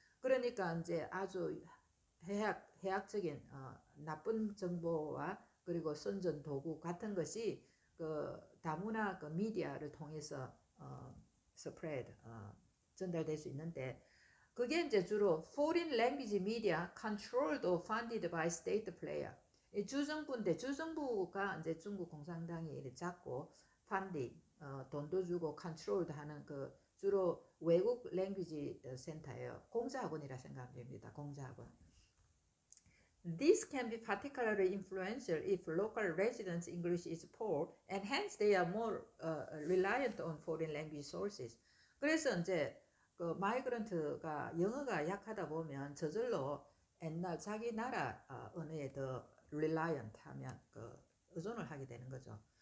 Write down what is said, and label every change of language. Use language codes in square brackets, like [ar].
[ko] 그러니까 이제 아주 해악적인 나쁜 정보와 그리고 선전 도구 같은 것이 그 다문화 그 미디어를 통해서 spread 전달될 수 있는데 그게 이제 주로 [en] foreign language media controlled or funded by state player. [ko] 주정부인데 주정부가 이제 중국 공산당이 자꾸 funding 돈도 주고 controlled 하는 그 주로 외국 language 센터예요. 공자학원이라 생각하면 됩니다. 공자학원. [en] This can be particularly influential if local residents' English is poor, and hence they are more reliant on foreign language sources. [ko] 그래서 이제 그 마이그런트가 영어가 약하다 보면 저절로 옛날 자기 나라 언어에 더 reliant 하면 그 의존을 하게 되는 거죠.